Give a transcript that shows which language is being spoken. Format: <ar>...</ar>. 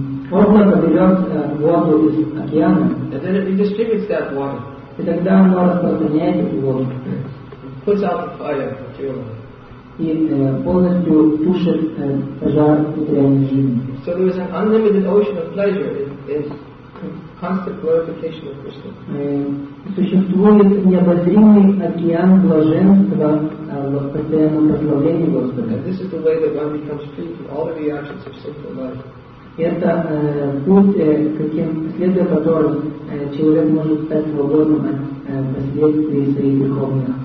<ru>Облако берет воду из океана.</ru> <en>And then it redistributes that water.</en> <ru>И тогда оно распространяет эту воду.</ru> <en>Puts out the fire materially.</en> <ru>И полностью тушит пожар материальной жизни.</ru> <en>So there is an unlimited ocean of pleasure. Constant glorification of Krishna.</en> <ru>Существует необозримый океан блаженства в постоянном прославлении Господа.</ru> <en>This is the way that one becomes free from all the reactions of sinful life.</en> <ru>Это путь, каким следуя которым человек может стать свободным от последствий своих духовных</ru>